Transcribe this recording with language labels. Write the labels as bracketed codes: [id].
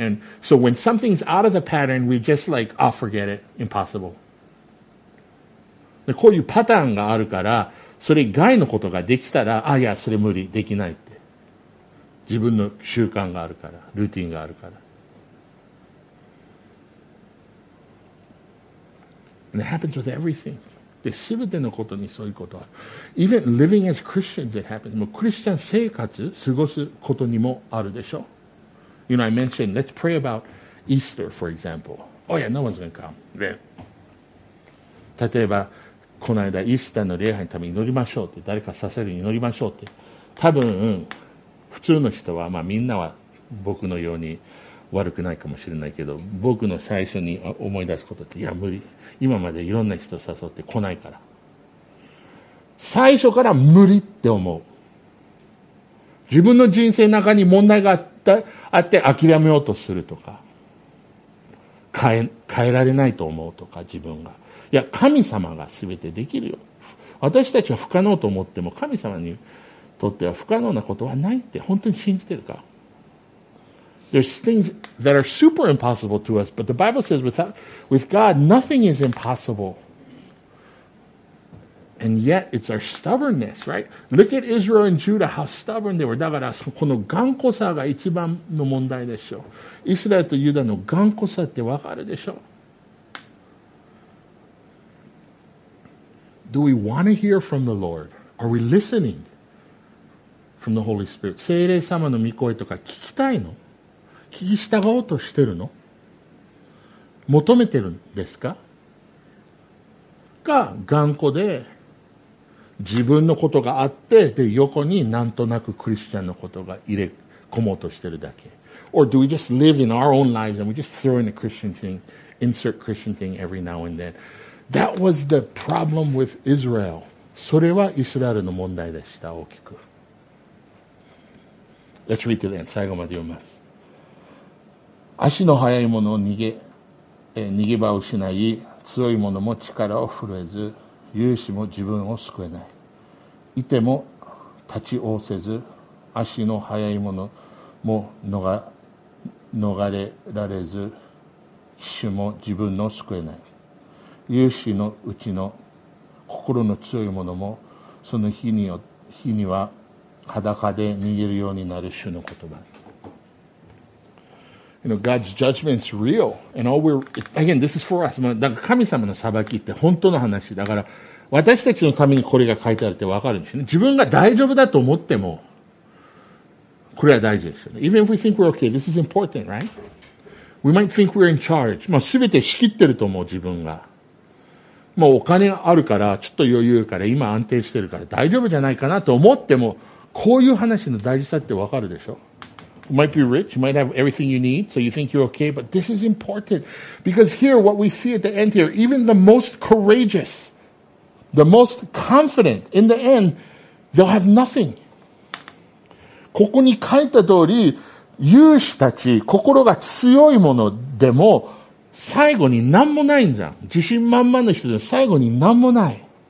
[en] And so when something's out of the pattern, we just like, oh, forget it. Impossible. [ja] で、こういうパターンがあるから、 それ以外のことができたら、あ、いや、それ無理、できないって。自分の習慣があるから、ルーティンがあるから。And [en] it happens with everything. [ja] で、すべてのことにそういうことある。 [en] Even living as Christians, it happens. [ja] もうクリスチャン生活過ごすことにもあるでしょ? [en] You know, I mentioned, let's pray about Easter, for example. Oh yeah, no one's going to come. Yeah. [ja] 例えば、 この間イースターの礼拝のために祈りましょうって誰か刺せるように祈りましょうって。多分普通の人は、まあみんなは僕のように悪くないかもしれないけど、僕の最初に思い出すことって、いや無理、今までいろんな人誘って来ないから。最初から無理って思う。自分の人生の中に問題があって諦めようとするとか、変えられないと思うとか、自分が。いや、神様がすべてできるよ。私たちは不可能と思っても、神様にとっては不可能なことはないって本当に信じてるか? [en] There's things that are super impossible to us, but the Bible says with God, nothing is impossible. And yet, it's our stubbornness, right? Look at Israel and Judah, how stubborn they were. [ja] だから、この頑固さが一番の問題でしょう。イスラエルとユダの頑固さってわかるでしょう。 [en] Do we want to hear from the Lord? Are we listening from the Holy Spirit? [ja] 聖霊様の御声とか聞きたいの？聞き従おうとしてるの？求めてるんですか？が頑固で、自分のことがあって、で、横になんとなくクリスチャンのことが入れ込もうとしてるだけ。 [en] Or do we just live in our own lives and we just throw in a Christian thing, insert Christian thing every now and then? That was the problem with Israel. [ja] それはイスラエルの問題でした、大きく。 [en] Let's read to the end. [ja] 最後まで読みます。足の速い者を逃げ場を失い、強い者も力を震えず、勇士も自分を救えない。いても立ち往せず、足の速い者も逃れられず、騎手も自分を救えない。勇士のうちの心の強い者も、その日には裸で逃げるようになる主の言葉。 [en] You know, God's judgment's real. And all we're, again, this is for us. [ja] だから神様の裁きって本当の話。だから私たちのためにこれが書いてあるって分かるんですよね。自分が大丈夫だと思っても、これは大事ですよね。 [en] Even if we think we're okay, this is important, right? We might think we're in charge. [ja] まあ全て仕切ってると思う、自分が。もうお金があるから、ちょっと余裕から、今安定してるから大丈夫じゃないかなと思っても、こういう話の大事さって分かるでしょ。 [en] You might be rich, you might have everything you need, so you think you're okay, but this is important. Because here, what we see at the end here, even the most courageous, the most confident, in the end, they'll have nothing. [ja] ここに書いた通り、勇士たち、心が強いものでも、最後に何もないんじゃん。自信満々の人でも最後に何もない。